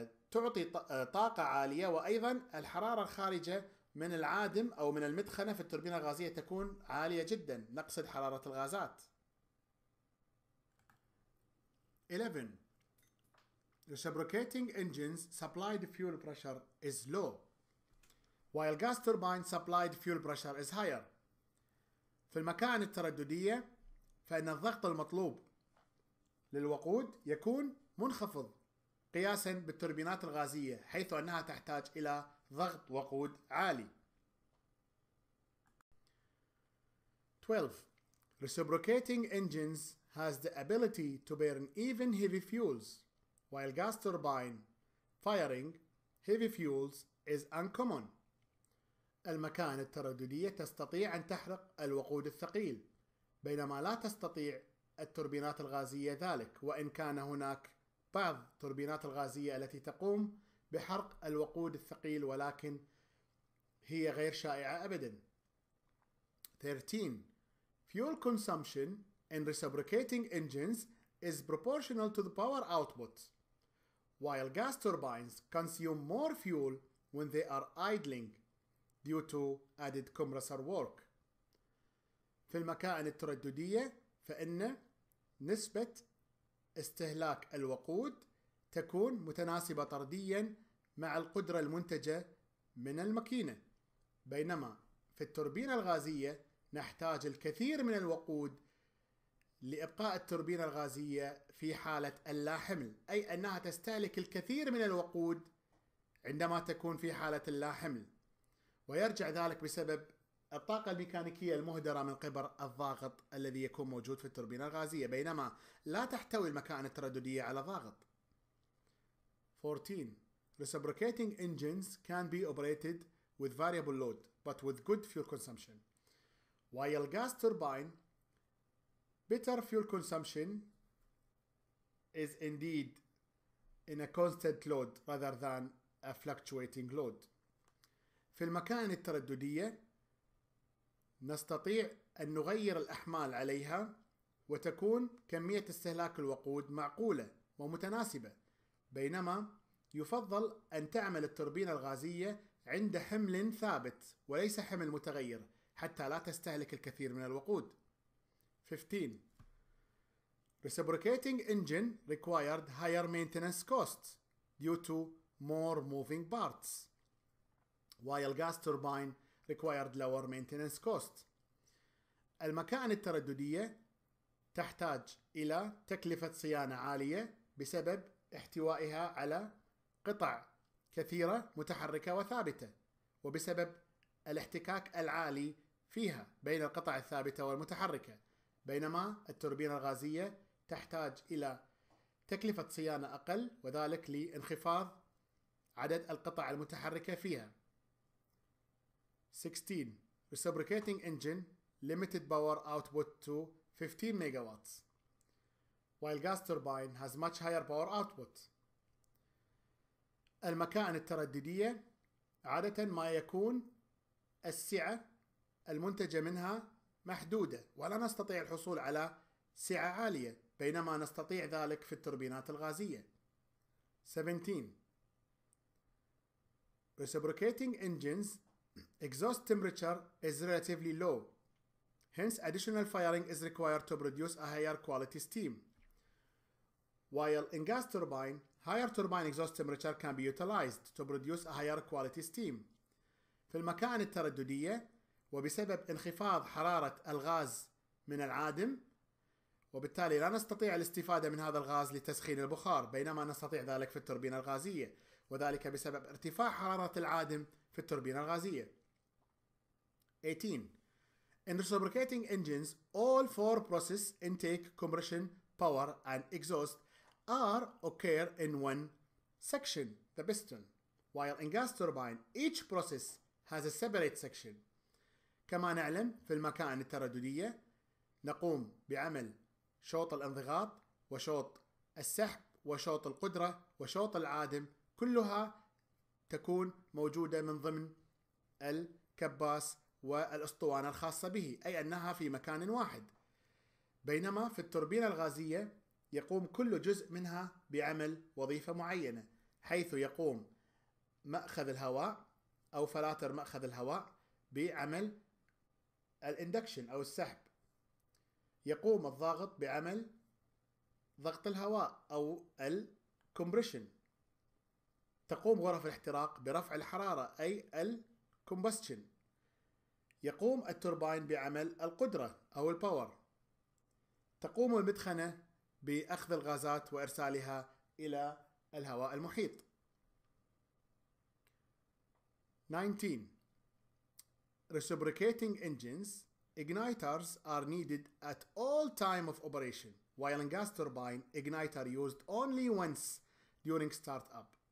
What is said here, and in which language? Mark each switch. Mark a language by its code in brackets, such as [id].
[ar] تعطي طاقة عالية وأيضا الحرارة الخارجة من العادم أو من المدخنة في التوربينة الغازية تكون عالية جدا، نقصد حرارة الغازات. [en] 11. Reciprocating engines supplied fuel pressure is low, while gas turbine supplied fuel pressure is higher. [ar] في المكائن الترددية فإن الضغط المطلوب للوقود يكون منخفض قياسا بالتوربينات الغازية، حيث أنها تحتاج إلى ضغط وقود عالي. [en] 12. Reciprocating engines has the ability to burn even heavy fuels, while gas turbine firing heavy fuels is uncommon. [ar] المكائن الترددية تستطيع أن تحرق الوقود الثقيل، بينما لا تستطيع التوربينات الغازية ذلك، وإن كان هناك بعض التوربينات الغازية التي تقوم بحرق الوقود الثقيل ولكن هي غير شائعة أبدا. [en] 13. Fuel consumption in reciprocating engines is proportional to the power output, while gas turbines consume more fuel when they are idling due to added compressor work. [ar] في المكائن الترددية فإن نسبة استهلاك الوقود تكون متناسبة طرديا مع القدرة المنتجة من الماكينة، بينما في التوربينة الغازية نحتاج الكثير من الوقود لإبقاء التوربينة الغازية في حالة اللا حمل، أي أنها تستهلك الكثير من الوقود عندما تكون في حالة اللا حمل، ويرجع ذلك بسبب الطاقة الميكانيكية المهدرة من قبل الضغط الذي يكون موجود في التوربينة الغازية، بينما لا تحتوي المكائن الترددية على ضغط. [en] 14. Reciprocating engines can be operated with variable load but with good fuel consumption. While gas turbine, better fuel consumption is indeed in a constant load rather than a fluctuating load. [ar] في المكائن الترددية نستطيع أن نغير الأحمال عليها وتكون كمية استهلاك الوقود معقولة ومتناسبة، بينما يفضل أن تعمل التوربينة الغازية عند حمل ثابت وليس حمل متغير حتى لا تستهلك الكثير من الوقود. [en] 15. Reciprocating engine required higher maintenance costs due to more moving parts, while gas turbine required lower maintenance costs. [ar] المكائن الترددية تحتاج إلى تكلفة صيانة عالية بسبب احتوائها على قطع كثيرة متحركة وثابتة، وبسبب الاحتكاك العالي فيها بين القطع الثابتة والمتحركة، بينما التوربينة الغازية تحتاج إلى تكلفة صيانة أقل، وذلك لانخفاض عدد القطع المتحركة فيها. [en] 16. Reciprocating engine limited power output to 15 megawatts, while gas turbine has much higher power output. [ar] المكائن الترددية عادة ما يكون السعة المنتجة منها محدودة ولا نستطيع الحصول على سعة عالية، بينما نستطيع ذلك في التوربينات الغازية. [en] 17. Reciprocating engines exhaust temperature is relatively low, hence additional firing is required to produce a higher quality steam. While in gas turbine, higher turbine exhaust temperature can be utilized to produce a higher quality steam. [ar] في المكائن الترددية وبسبب انخفاض حرارة الغاز من العادم، وبالتالي لا نستطيع الاستفادة من هذا الغاز لتسخين البخار، بينما نستطيع ذلك في التوربينة الغازية، وذلك بسبب ارتفاع حرارة العادم في التوربينة الغازية. [en] 18. In reciprocating engines, all four process intake, compression, power and exhaust are occur in one section, the piston, while in gas turbine, each process has a separate section. [ar] كما نعلم في المكائن الترددية نقوم بعمل شوط الانضغاط وشوط السحب وشوط القدرة وشوط العادم، كلها تكون موجودة من ضمن الكباس والأسطوانة الخاصة به، أي أنها في مكان واحد، بينما في التوربينة الغازية يقوم كل جزء منها بعمل وظيفة معينة، حيث يقوم مأخذ الهواء أو فلاتر مأخذ الهواء بعمل الاندكشن أو السحب، يقوم الضاغط بعمل ضغط الهواء أو الكمبريشن، تقوم غرف الاحتراق برفع الحرارة أي الكمبستشن، يقوم التوربين بعمل القدرة أو الباور، تقوم المدخنة بأخذ الغازات وإرسالها إلى الهواء المحيط. [en] 19. Reciprocating engines, igniters are needed at all time of operation, while in gas turbine, igniter used only once during startup.